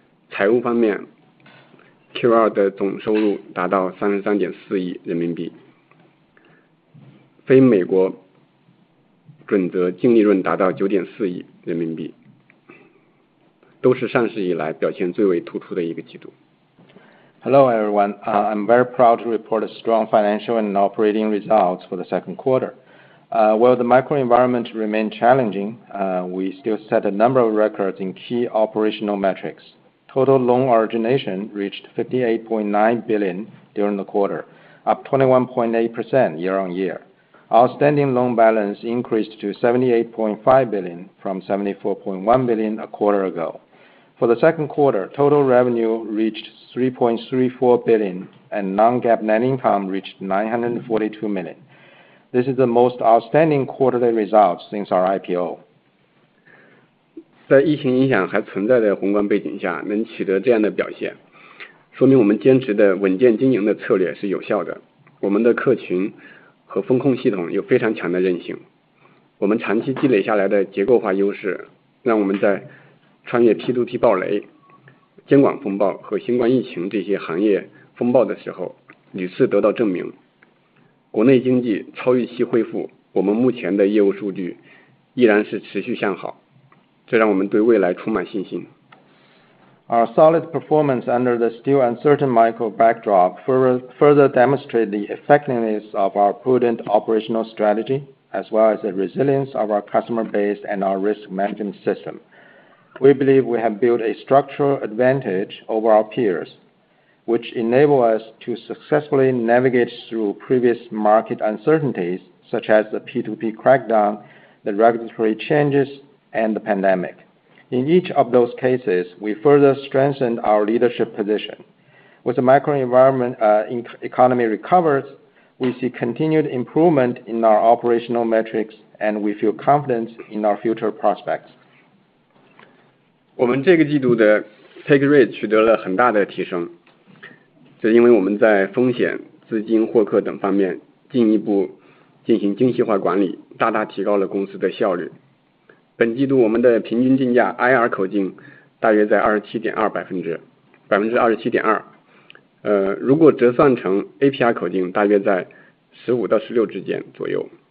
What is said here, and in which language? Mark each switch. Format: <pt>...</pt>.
<zh>财务方面，Q2 的总收入达到33.4亿人民币。非美国准则净利润达到9.4亿人民币，都是上市以来表现最为突出的一个季度。</zh> <en>Hello, everyone. I'm very proud to report a strong financial and operating results for the second quarter. While the macro environment remained challenging, we still set a number of records in key operational metrics. Total loan origination reached 58.9 billion during the quarter, up 21.8% year-on-year. Outstanding loan balance increased to 78.5 billion from 74.1 billion a quarter ago. For the second quarter, total revenue reached 3.34 billion, and non-GAAP net income reached 942 million. This is the most outstanding quarterly result since our IPO.</en> <zh>在疫情影响还存在的宏观背景 下， 能取得这样的表 现， 说明我们坚持的稳健经营的策略是有效 的， 我们的客群和风控系统有非常强的韧性。我们长期积累下来的结构化优 势， 让我们在穿越 P2P 暴雷、监管风暴和新冠疫情这些行业风暴的时候屡次得到证明。国内经济超预期恢 复， 我们目前的业务数据依然是持续向 好， 这让我们对未来充满信心。</zh> <en>Our solid performance under the still uncertain macro backdrop further demonstrate the effectiveness of our prudent operational strategy, as well as the resilience of our customer base and our risk management system. We believe we have built a structural advantage over our peers, which enable us to successfully navigate through previous market uncertainties, such as the P2P crackdown, the regulatory changes, and the pandemic. In each of those cases, we further strengthened our leadership position. With the macro environment, economy recovers, we see continued improvement in our operational metrics, and we feel confident in our future prospects.</en> <zh>我们这个季度的 take rate 取得了很大的提升，这因为我们在风险、资金、获客等方面进一步进行精细化管 理， 大大提高了公司的效率。本季度我们的平均竞价 IR 口径大约在 27.2%， 如果折算成 APR 口径大约在15-16之间左右。</zh>